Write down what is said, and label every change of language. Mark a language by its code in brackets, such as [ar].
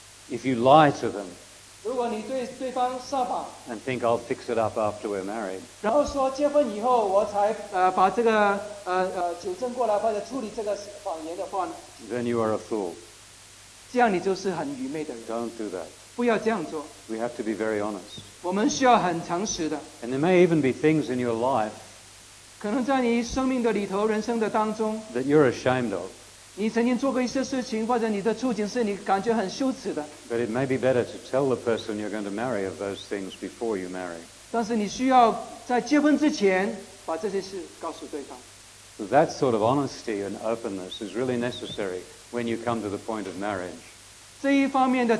[en] If you lie to them and think I'll fix it up after we're married, then you are a fool. Don't do that. We have to be very honest. And there may even be things in your life that you're ashamed of. [zh] 你曾经做过一些事情，或者你的处境是你感觉很羞耻的。 [en] But it may be better to tell the person you're going to marry of those things before you marry. [zh] 但是你需要在结婚之前把这些事告诉对方。 [en] So that sort of honesty and openness is really necessary when you come to the point of marriage.